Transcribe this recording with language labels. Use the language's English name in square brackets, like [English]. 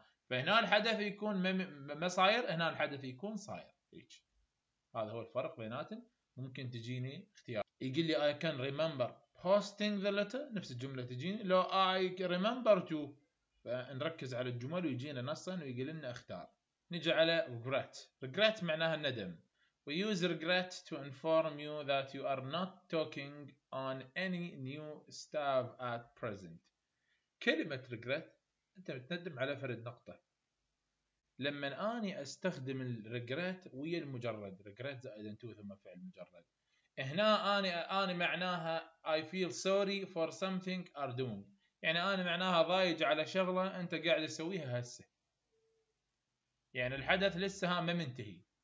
[Arabic] فهنا الحدث يكون ما صاير، هنا الحدث يكون صاير. هيك هذا هو الفرق بيناتهم. ممكن تجيني اختيار، يقول لي [English] I can remember posting the letter، [Arabic] نفس الجملة تجيني. لو [English] I remember to، [Arabic] فنركز على الجمل ويجينا نصا ويقول لنا اختار. نجي على regret. regret معناها الندم. [English] We use regret to inform you that you are not talking on any new stuff at present. [Arabic] كلمة regret، انت بتندم على فرد نقطة. لما اني استخدم الريجريت ويا المجرد، ريجريت زائد انتو ثم فعل مجرد، هنا اني معناها [English] I feel sorry for something are doing، [Arabic] يعني اني معناها ضايج على شغلة انت قاعد تسويها هسه، يعني الحدث لسه ها ما منتهي.